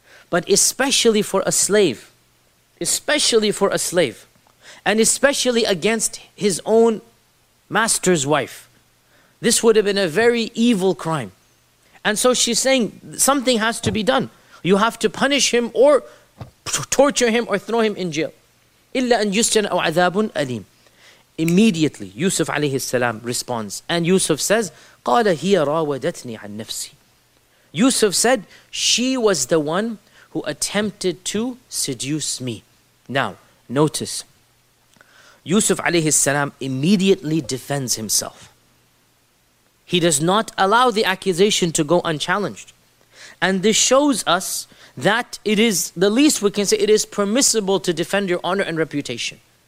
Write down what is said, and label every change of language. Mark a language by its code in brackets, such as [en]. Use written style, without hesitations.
[en] But especially for a slave, especially for a slave, and especially against his own master's wife, this would have been a very evil crime. And so she's saying something has to be done. You have to punish him or torture him or throw him in jail. [ar] إِلَّا أَنْ يُسْجَنَ أَوْ عَذَابٌ أَلِيمٌ. [en] Immediately, Yusuf alayhi salam responds. And Yusuf says, [ar] قَالَ هِيَ رَاوَدَتْنِي عَنْ نَفْسِي. [en] Yusuf said, she was the one who attempted to seduce me. Now, notice, Yusuf alayhi salam immediately defends himself. He does not allow the accusation to go unchallenged. And this shows us that it is the least we can say, it is permissible to defend your honor and reputation.